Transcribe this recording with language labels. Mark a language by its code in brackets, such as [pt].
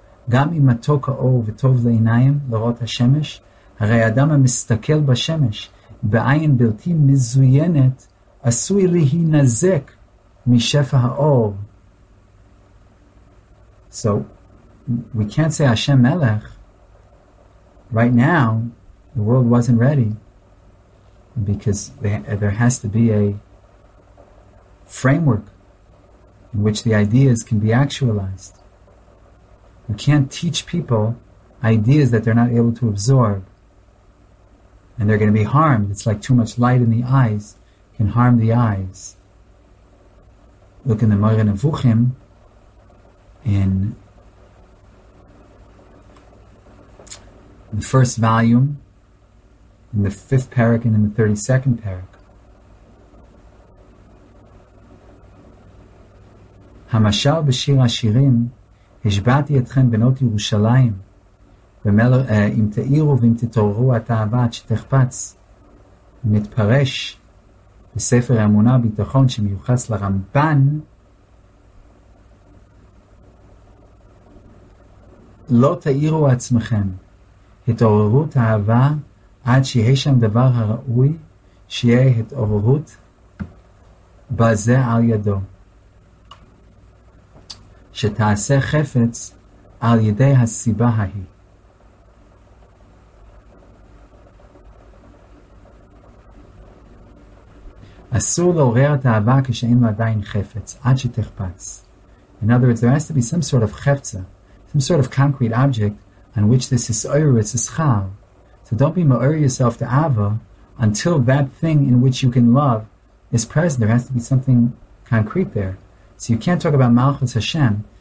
[he] גם אם מתוק האור וטוב לעיניים לראות השמש, הרי האדם המסתכל בשמש בעין בלתי מזוינת עשוי להינזק משפע האור. [en] So, we can't say Hashem Melech. Right now, the world wasn't ready because there has to be a framework in which the ideas can be actualized. We can't teach people ideas that they're not able to absorb. And they're going to be harmed. It's like too much light in the eyes can harm the eyes. Look in the Mora Nevuchim in the first volume, in the fifth parak, and in the 32nd parak. [he] Hamashal b'shir ha'shirim השבעתי אתכם בנות ירושלים, אם תאירו ואם תתעוררו אתה הבת שתחפץ, מתפרש בספר האמונה ביטחון שמיוחס לרמב"ן, לא תאירו עצמכם, התעוררות אהבה עד שיהיה שם דבר הראוי, שיהיה התעוררות בזה על ידו. שתעשה חפץ על ידי הסיבה ההיא. אסור לעורר את האהבה כשאין לה עדיין חפץ, עד שתחפץ. [en] In other words, there has to be some sort of חפצה, some sort of concrete object on which this is oiru, it's a schar. So don't be ma'ur yourself to ava until that thing in which you can love is present. There has to be something concrete there. So you can't talk about Malchus Hashem